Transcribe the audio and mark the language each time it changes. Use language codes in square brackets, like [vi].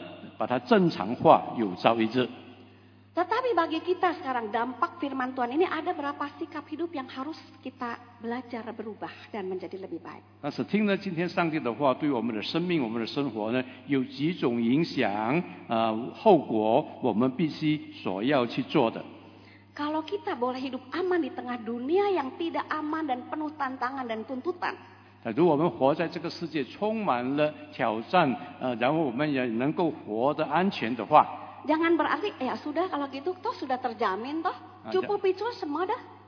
[zh] 然后我向上帝祷告，求上帝把这个人呢，把他正常化，有朝一日。 [id] Tetapi bagi kita sekarang dampak firman Tuhan ini ada berapa sikap hidup yang harus kita belajar berubah dan menjadi lebih baik. [zh] 但是听了今天上帝的话对我们的生命我们的生活呢有几种影响, 后果我们必须所要去做的。 [id] Kalau kita boleh hidup aman di tengah dunia yang tidak aman dan penuh tantangan dan tuntutan. [zh] 假如我们活在这个世界充满了挑战, 然后我们也能够活得安全的话, [id] jangan berarti ya sudah kalau gitu toh sudah terjamin toh cukup itu semua dah.